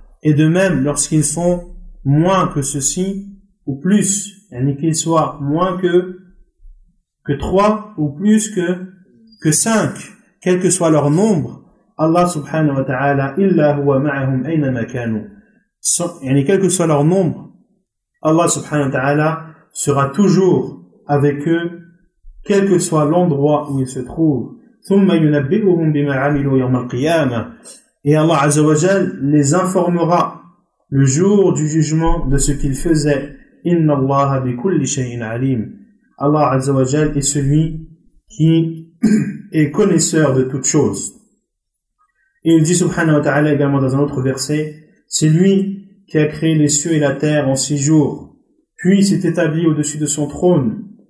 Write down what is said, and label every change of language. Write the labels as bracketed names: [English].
[French] Et de même, lorsqu'ils sont moins que ceci ou plus, yani qu'ils soient moins que trois ou plus que cinq, quel que soit leur nombre, Allah subhanahu wa ta'ala [Arabic] إلا هو معهم أينما كانوا. [French] Yani quel que soit leur nombre, Allah subhanahu wa ta'ala sera toujours avec eux, quel que soit l'endroit où ils se trouvent. [Arabic] ثم ينبئهم بما عملوا يوم القيامة. [French] Et Allah عز وجل les informera le jour du jugement de ce qu'ils faisaient. [Arabic] إن الله بكل شيء عليم. [French] Allah عز وجل est celui qui est connaisseur de toutes choses. Et il dit subhanahu wa ta'ala également dans un autre verset, c'est lui qui a créé les cieux et la terre en six jours, puis s'est établi au-dessus de son trône.